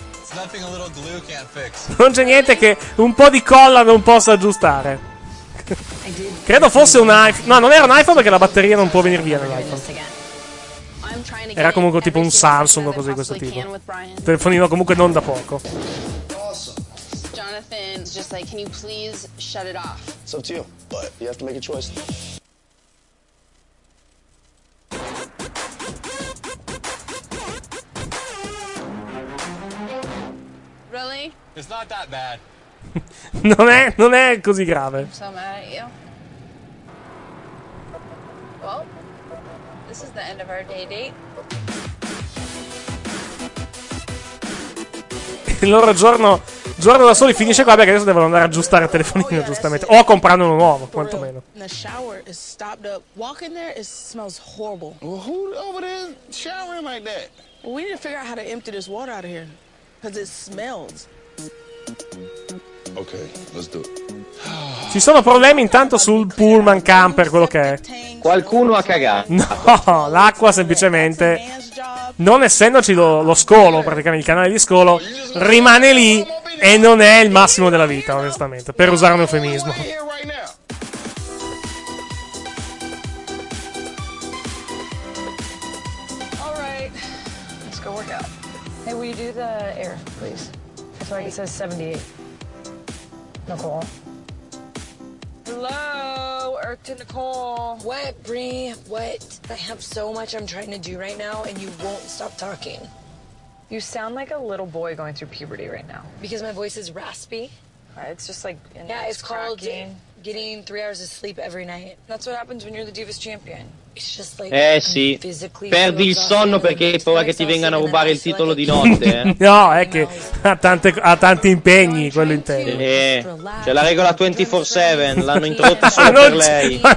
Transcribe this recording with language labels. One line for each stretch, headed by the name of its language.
English: It's nothing a little glue can't fix.
Italian: Non c'è niente che un po' di colla non possa aggiustare. Credo fosse un iPhone. No, non era un iPhone perché la batteria non può venire via nell'iPhone. Era comunque tipo un Samsung o cose di questo tipo. Telefonino comunque non da poco.
English: Jonathan is just like, can you please shut it off? It's up to you, but you have to make a choice. Really? It's not that bad.
Italian: Non è così grave.
English: I'm so mad at you. Well, this is the end of our day date.
Italian: Il loro giorno da soli finisce qua, perché adesso devono andare a aggiustare il telefonino, giustamente, o a comprare uno nuovo, quantomeno.
English: The shower is stopped up. Walking there, it smells horrible. Well, who over there showering like that? We need to figure out how to empty this water out of here, because it smells. Okay, let's do it.
Italian: Ci sono problemi intanto sul pullman camper, quello che è. Qualcuno ha cagato. No, l'acqua semplicemente, non essendoci lo scolo, praticamente il canale di scolo, rimane lì e non è il massimo della vita, onestamente, per usare un eufemismo.
English: All right. Let's go work out. Hey, will you do the air, please? It's like it says 78. Nicole. Hello, Earth to Nicole. What, Bree? What? I have so much I'm trying to do right now, and you won't stop talking. You sound like a little boy going through puberty right now. Because my voice is raspy. It's just like, yeah, it's called getting 3 hours of sleep every night. That's what happens when you're the Divas Champion. It's just like,
Italian: sì. Perdi il sonno perché hai paura che ti vengano a rubare il titolo di notte. No, è che ha tanti impegni, quello intero. C'è la regola 24/7, l'hanno introdotta solo per lei.